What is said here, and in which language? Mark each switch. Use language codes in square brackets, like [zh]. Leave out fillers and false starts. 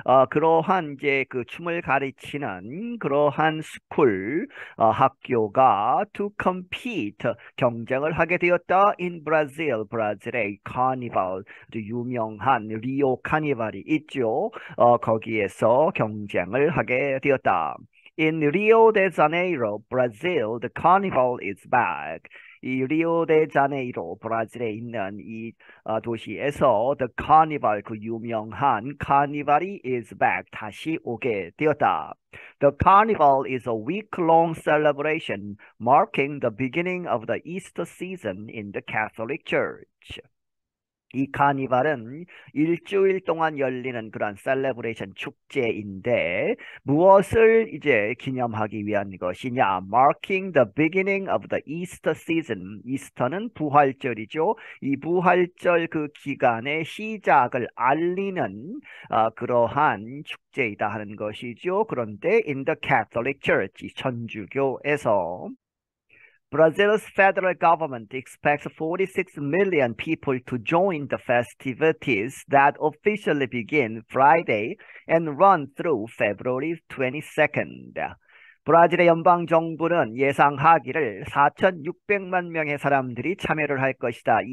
[ko] 그러한 이제 그 춤을 가르치는 그러한 스쿨, 학교가 [en] to compete [ko] 경쟁을 하게 되었다. [en] In Brazil, [ko] 브라질의 카니발, 아주 유명한 리오 카니발이 있죠. 거기에서 경쟁을 하게 되었다. [en] In Rio de Janeiro, Brazil, the carnival is back. [ko] 이 리오데자네이로 브라질에 있는 이 도시에서 [en] The Carnival [ko] 그 유명한 카니발이 [en] is back [ko] 다시 오게 되었다. [en] The Carnival is a week-long celebration marking the beginning of the Easter season in the Catholic Church. [ko] 이 카니발은 일주일 동안 열리는 그런 셀레브레이션 축제인데 무엇을 이제 기념하기 위한 것이냐? [en] Marking the beginning of the Easter season. [ko] 이스터는 부활절이죠. 이 부활절 그 기간의 시작을 알리는 그러한 축제이다 하는 것이죠. 그런데 [en] in the Catholic Church, [ko] 이 천주교에서 [en] Brazil's federal government expects 46 million people to join the festivities that officially begin Friday and run through February 22nd. [ko] 브라질의 연방정부는 예상하기를 4,600만 명의 사람들이 참여를 할 것이다.